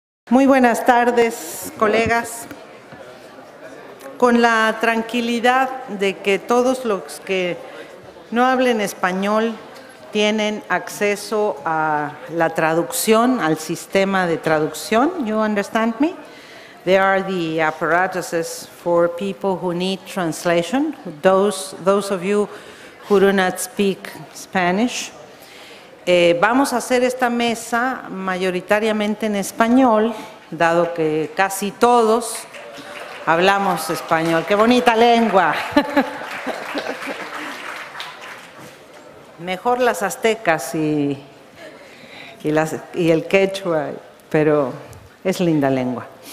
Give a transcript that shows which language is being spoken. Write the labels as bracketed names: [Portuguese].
[Spanish] Muy buenas tardes, colegas. Con la tranquilidad de que todos los que no hablen español tienen acceso a la traducción, al sistema de traducción, [English] you understand me? There are the apparatuses for people who need translation, those of you who do not speak Spanish. [Spanish] Vamos a hacer esta mesa mayoritariamente en español, dado que casi todos hablamos español. ¡Qué bonita lengua! Mejor las aztecas y el quechua, pero es linda lengua.